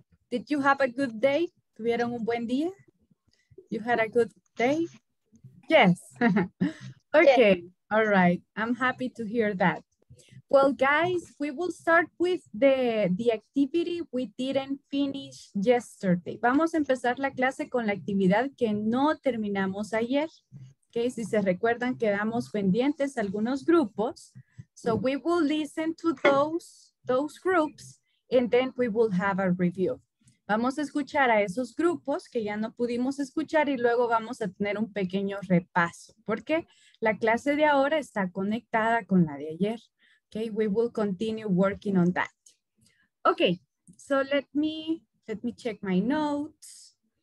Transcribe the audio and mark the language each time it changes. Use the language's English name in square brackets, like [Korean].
[English] Did you have a good day? [Spanish] ¿Tuvieron un buen día? [English] You had a good day? Yes. Okay, yeah. All right. I'm happy to hear that. Well, guys, we will start with the activity we didn't finish yesterday. [Spanish] Vamos a empezar la clase con la actividad que no terminamos ayer. Okay, si se recuerdan, quedamos pendientes algunos grupos. [English] So we will listen to those groups and then we will have a review. [Spanish] Vamos a escuchar a esos grupos que ya no pudimos escuchar y luego vamos a tener un pequeño repaso porque la clase de ahora está conectada con la de ayer. [English] Okay, we will continue working on that. Okay, so let me check my notes.